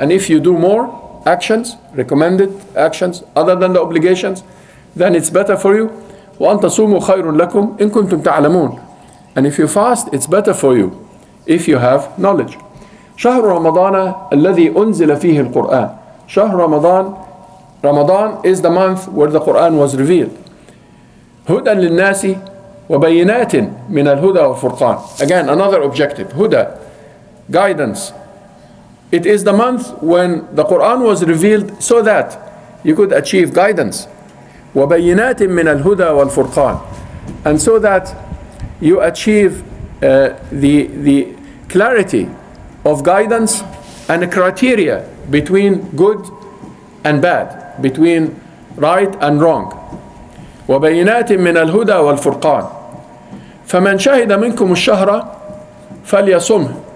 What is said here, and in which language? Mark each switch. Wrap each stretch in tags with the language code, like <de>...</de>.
<en>And if you do more actions, recommended actions, other than the obligations, then it's better for you.</en> <ar>وَأَنْ تَصُومُ خَيْرٌ لَكُمْ إِنْ كُنْتُمْ تَعْلَمُونَ.</ar> <en>And if you fast, it's better for you if you have knowledge.</en> <ar>شَهْرُ رَمَضَانَ الَّذِي أُنزِلَ فِيهِ الْقُرْآنِ. شَهْرُ رَمَضَانَ.</ar> <en>Ramadan is the month where the Quran was revealed.</en> <ar>هدى للناس وبينات من الهدى والفرقان.</ar> <en>Again, another objective. هدى, guidance. It is the month when the Quran was revealed so that you could achieve guidance.</en> <ar>وبينات من الهدى والفرقان.</ar> <en>And so that you achieve the clarity of guidance and a criteria between good and bad. Between right and wrong.</en> <ar>وَبَيِّنَاتٍ مِّنَ الْهُدَى وَالْفُرْقَانِ فَمَنْ شَهِدَ مِنْكُمُ الشَّهْرَ فَلْيَصُمْهُ.</ar>